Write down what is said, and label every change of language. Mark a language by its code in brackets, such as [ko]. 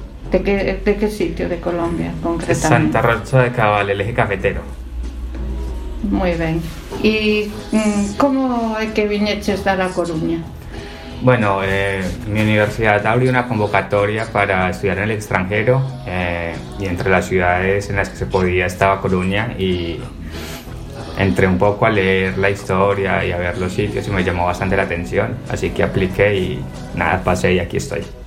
[gl] De que sitio de Colombia, concretamente? [es] Santa Rosa de Cabal, el eje cafetero. [gl] Moi ben. E como é que viñeches da Coruña? [es] Bueno, mi universidad abrió una convocatoria para estudiar en el extranjero, y entre las ciudades en las que se podía estaba Coruña, y entré un poco a leer la historia y a ver los sitios y me llamó bastante la atención, así que apliqué y nada, pasé y aquí estoy.